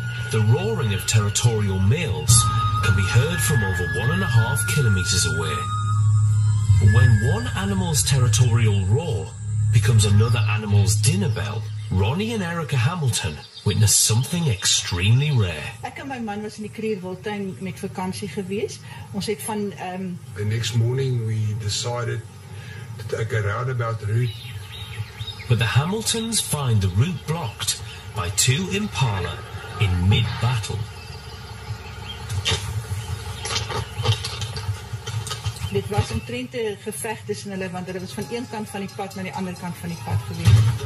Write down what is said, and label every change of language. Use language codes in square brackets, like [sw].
[en] The roaring of territorial males can be heard from over 1.5 kilometers away. When one animal's territorial roar becomes another animal's dinner bell, Ronnie and Erica Hamilton witness something extremely rare. [af] Ek en my man was in die Kreerwoudtuin met vakansie gewees. Ons het van [en] the next morning we decided to take a roundabout route. But the Hamiltons find the route blocked by 2 impala in mid-battle. [af] Dit was omtrent 'n geveg tussen hulle, want hulle was van een kant van die pad na die ander kant van die pad gewees.